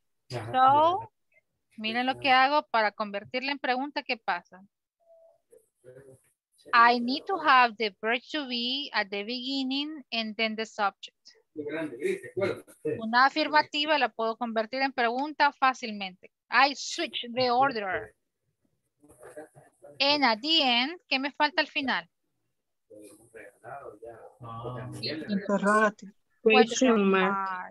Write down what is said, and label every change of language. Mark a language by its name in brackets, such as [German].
[Spanish] So, miren lo que hago para convertirla en pregunta, ¿qué pasa? [English] I need to have the verb to be at the beginning and then the subject. [Spanish] Una afirmativa la puedo convertir en pregunta fácilmente. [English] I switch the order. And at the end, [Spanish] ¿qué me falta al final? [English] Question mark.